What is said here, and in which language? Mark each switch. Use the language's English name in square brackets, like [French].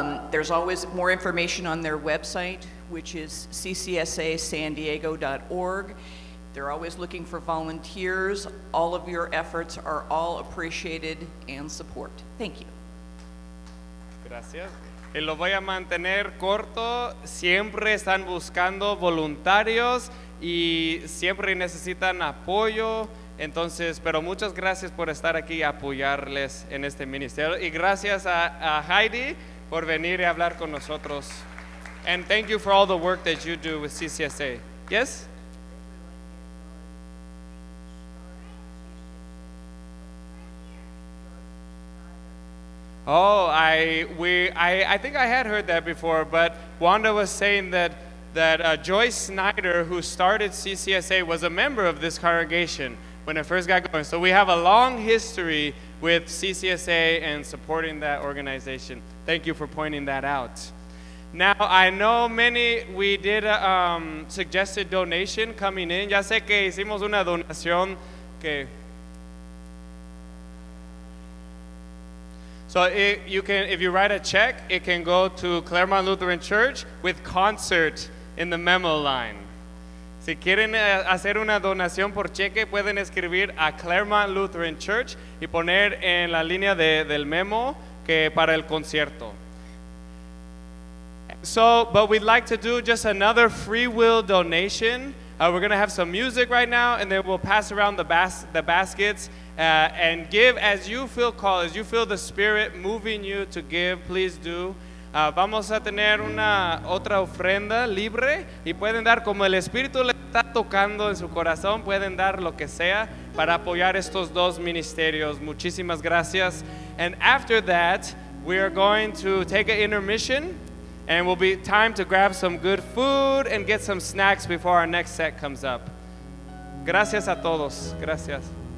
[English] There's always more information on their website, which is ccsasandiego.org. They're always looking for volunteers. All of your efforts are all appreciated and support. Thank you. [Spanish] Gracias. Y lo voy a mantener corto. Siempre están buscando voluntarios y siempre necesitan apoyo. Entonces, pero muchas gracias por estar aquí y apoyarles en este ministerio. Y gracias a Heidi por venir y hablar con nosotros. [English] And thank you for all the work that you do with CCSA. Yes? Oh, I think I had heard that before, but Wanda was saying that Joyce Snyder, who started CCSA, was a member of this congregation when it first got going. So we have a long history with CCSA and supporting that organization. Thank you for pointing that out. Now, I know many, we did a suggested donation coming in. [Spanish] Ya sé que hicimos una donación que... [English] So if you write a check, it can go to Claremont Lutheran Church with concert in the memo line. [Spanish] Si quieren hacer una donación por cheque, pueden escribir a Claremont Lutheran Church y poner en la línea del memo que para el concierto. [English] But we'd like to do just another free will donation. We're going to have some music right now, and then we'll pass around the baskets and give as you feel called, as you feel the Spirit moving you to give, please do. [Spanish] Vamos a tener una otra ofrenda libre y pueden dar como el Espíritu le está tocando en su corazón, pueden dar lo que sea para apoyar estos dos ministerios. Muchísimas gracias. [English] And after that, we are going to take an intermission and will be time to grab some good food and get some snacks before our next set comes up. [Spanish] Gracias a todos. Gracias.